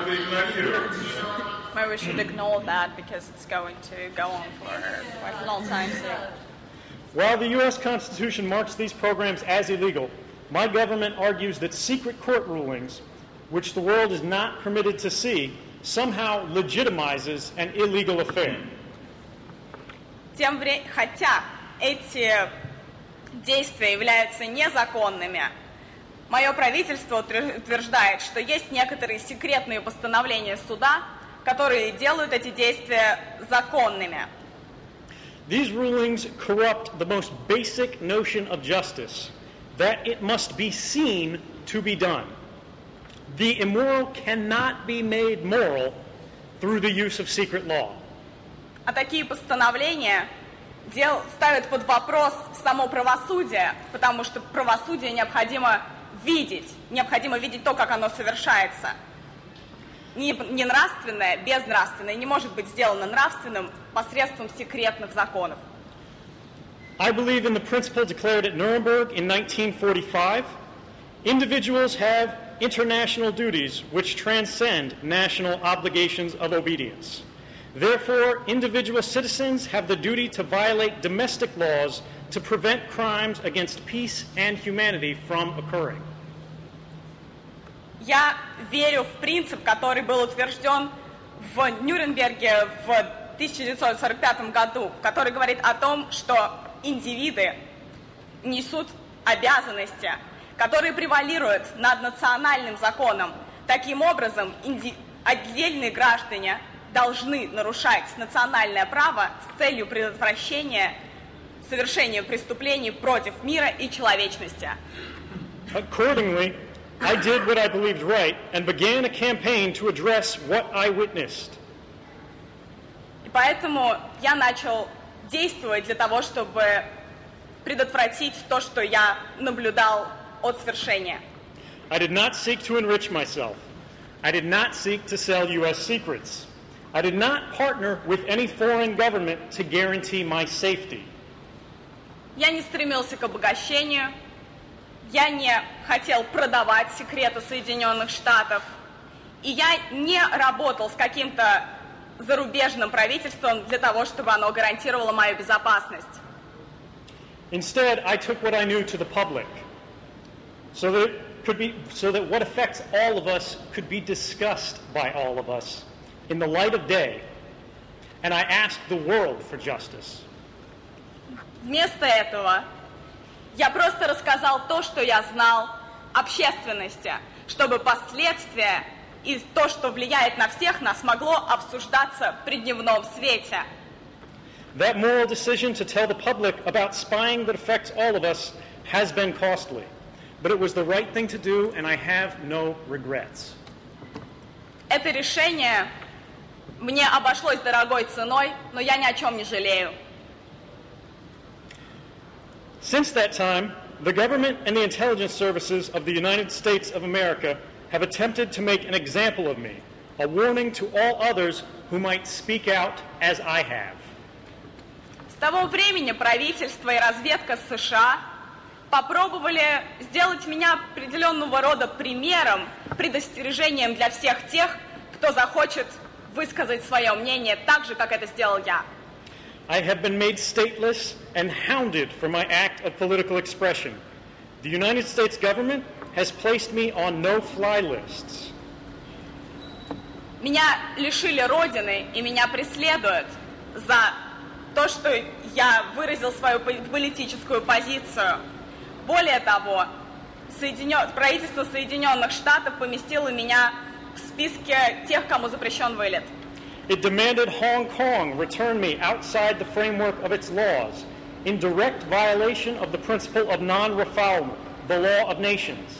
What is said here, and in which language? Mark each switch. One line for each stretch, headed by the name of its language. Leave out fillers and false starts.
English: maybe we should ignore that because it's going to go on for quite a long time. So. While the U.S. Constitution marks these programs as illegal, my government argues that secret court rulings, which the world is not permitted to see, somehow legitimizes an illegal affair.
Russian: Хотя эти действия являются незаконными, мое правительство утверждает, что есть некоторые секретные постановления суда, которые делают эти действия законными.
English: These rulings corrupt the most basic notion of justice, that it must be seen to be done. The immoral cannot be made moral through the use of secret law.
Russian: А такие постановления ставят под вопрос само правосудие, потому что правосудие необходимо видеть то, как оно совершается. Не нравственное, безнравственное не может быть сделано нравственным посредством секретных законов.
English: I believe in the principle declared at Nuremberg in 1945. Individuals have international duties which transcend national obligations of obedience. Therefore, individual citizens have the duty to violate domestic laws to prevent crimes against peace and humanity from occurring.
Russian: Я верю в принцип, который был утвержден в Нюрнберге в 1945 году, который говорит о том, что индивиды несут обязанности, которые превалируют над национальным законом. Таким образом, отдельные граждане должны нарушать национальное право с целью предотвращения совершения преступлений против мира и человечности.
English: Accordingly, I did what I believed right and began a campaign to address what I witnessed.
Russian: И поэтому я начал действовать для того, чтобы предотвратить то, что я наблюдал.
English: I did not seek to enrich myself. I did not seek to sell U.S. secrets. I did not partner with any foreign government to guarantee my safety.
Russian: Я не стремился к обогащению. Я не хотел продавать секреты Соединенных Штатов. И я не работал с каким-то зарубежным правительством для того, чтобы оно гарантировало мою безопасность.
English: Instead, I took what I knew to the public. So that what affects all of us could be discussed by all of us in the light of day, and I asked the world for justice.
Russian: Вместо этого я просто рассказал то, что я знал общественности, чтобы последствия и то, что влияет на всех нас, могло обсуждаться при дневном свете.
English: That moral decision to tell the public about spying that affects all of us has been costly. But it was the right thing to do, and I have no regrets.
Russian: Это решение мне обошлось дорогой ценой, но я ни о чем не жалею.
English: Since that time, the government and the intelligence services of the United States of America have attempted to make an example of me, a warning to all others who might speak out as I have.
Russian: С того времени правительство и разведка США попробовали сделать меня определенного рода примером, предостережением для всех тех, кто захочет высказать свое мнение так же, как это сделал я.
English: I have been made stateless and hounded for my act of political expression. The United States government has placed me on no-fly lists.
Russian: Меня лишили родины и меня преследуют за то, что я выразил свою политическую позицию. Более того, правительство Соединенных Штатов поместило меня в списке тех, кому запрещен вылет.
English: It demanded Hong Kong return me outside the framework of its laws, in direct violation of the principle of non-refoulement, the law of nations.